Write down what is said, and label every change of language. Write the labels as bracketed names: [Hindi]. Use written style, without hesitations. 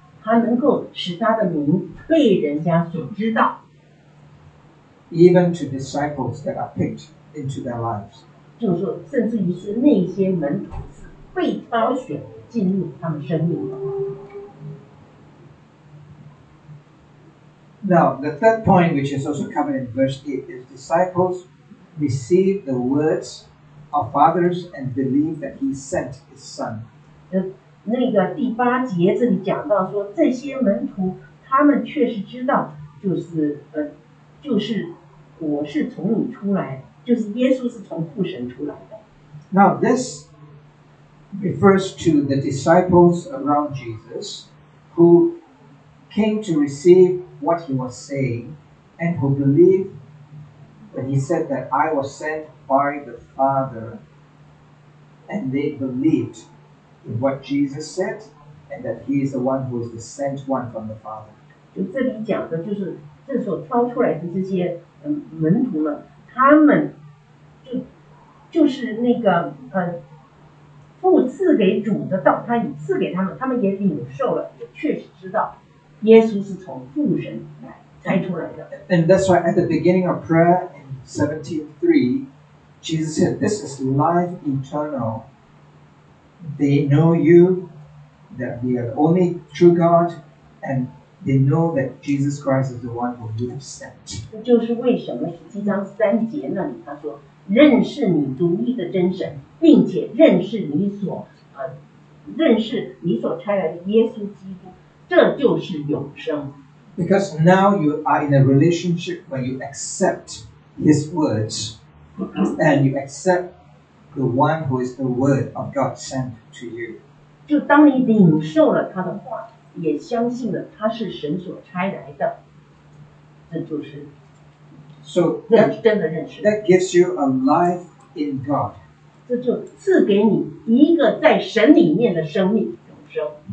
[Chinese] 他能够使他的名被人家所知道 [English] even to disciples that are picked into their lives [Chinese] 就是说甚至于是那些门徒被挑选进入他们生命 [English] Now the third point which is also covered in verse 8 is disciplesreceive the words of fathers and believe that he sent his son. [Chinese] 那个第八节这里讲到说，这些门徒他们确实知道，就是我是从你出来，就是耶稣是从父神出来的。 [English] Now this refers to the disciples around Jesus who came to receive what he was saying and who believed. When he said that I was sent by the Father, and they believed in what Jesus said, and that he is the one who is the sent one from the Father. [Chinese] 就这里讲的就是这所挑出来的这些门徒们，他们就是那个父赐给主的道，他已赐给他们，他们也领受了，也确实知道耶稣是从父神来摘出来的。 [English] And that's why at the beginning of prayer. 17:3, Jesus said, "This is life eternal. They know you, that you are the only true God, and they know that Jesus Christ is the one who you have sent." [Chinese] 这就是为什么十七章三节那里他说，认识你独一的真神，并且认识你所认识你所差来的耶稣基督，这就是永生。 [English] Because now you are in a relationship where you accept. His words, and you accept the one who is the word of God sent to you. [Chinese] 就当你领受了他的话，也相信了他是神所差来的，这就是真的认识。 [English] That gives you a life in God. [Chinese] 这就赐给你一个在神里面的生命，永生。